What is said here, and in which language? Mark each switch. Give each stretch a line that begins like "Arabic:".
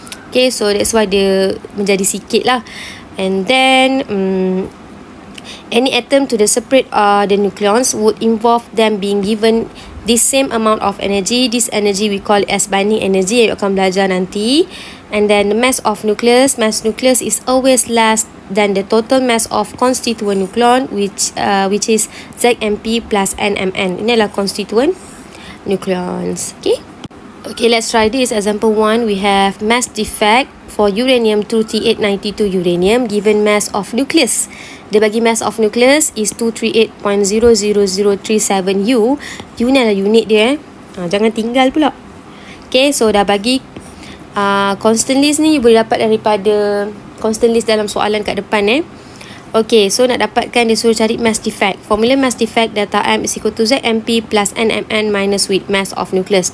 English: Okay, so that's why
Malay: dia menjadi sikit lah.
English: And then, any atom to the separate the nucleons would involve them being given the same amount of energy. This energy we call as binding energy,
Malay: yang akan belajar nanti.
English: And then, the mass of nucleus. Mass nucleus is always less than the total mass of constituent nucleon, which is ZMP plus NMN.
Malay: Ini adalah constituent nucleons.
English: Okay? Okay, let's try this. Example 1, we have mass defect for uranium 238.92 uranium given mass of nucleus.
Malay: Dia bagi mass of nucleus is 238.000037 U. U ni adalah unit dia. Jangan tinggal pula. Okay, so dah bagi constant list ni, you boleh dapat daripada constant list dalam soalan kat depan eh. Okay, so nak dapatkan dia suruh cari mass defect.
English: Formula mass defect, delta M is equal to ZMP plus NMN minus with mass of nucleus.